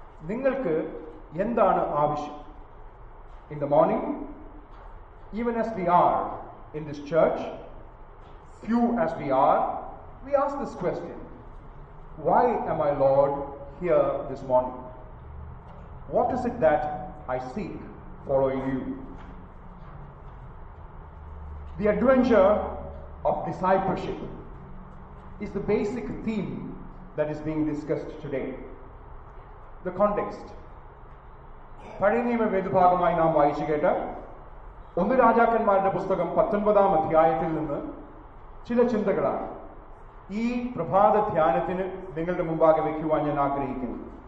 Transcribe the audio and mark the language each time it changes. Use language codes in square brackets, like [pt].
[ml] നിങ്ങൾക്ക് എന്താണ് ആവശ്യം? [en] In the morning, even as we are in this church, few as we are, we ask this question, why am I Lord here this morning? What is it that I seek following you? The adventure of discipleship is the basic theme that is being discussed today. The context. [ml] പഴയനിയമ വേദഭാഗമായി നാം വായിച്ചു കേട്ട ഒന്ന് രാജാക്കന്മാരുടെ പുസ്തകം 19 അധ്യായത്തിൽ നിന്ന് ചില ചിന്തകളാണ് ഈ പ്രഭാത ധ്യാനത്തിന് നിങ്ങളുടെ മുമ്പാകെ വയ്ക്കുവാൻ ഞാൻ ആഗ്രഹിക്കുന്നു.